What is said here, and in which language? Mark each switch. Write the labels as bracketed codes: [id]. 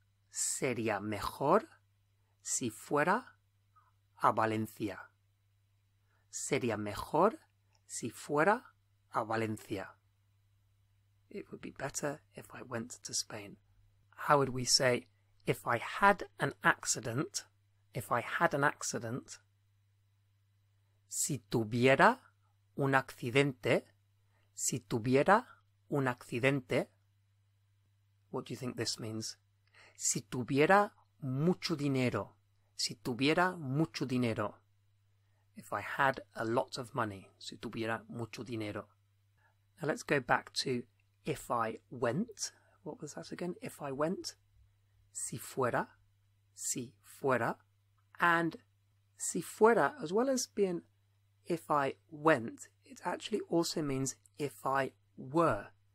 [es] Sería mejor si fuera a Valencia. Sería mejor si fuera a Valencia. [en] It would be better if I went to Spain. How would we say, if I had an accident, if I had an accident? [es] Si tuviera un accidente, si tuviera un accidente. [en] What do you think this means? [es] Si tuviera mucho dinero, si tuviera mucho dinero. [en] If I had a lot of money, [es] si tuviera mucho dinero. [en] Now let's go back to if I went. What was that again? If I went. [es] Si fuera. Si fuera. [en] And [es] si fuera, [en] as well as being if I went, it actually also means if I were.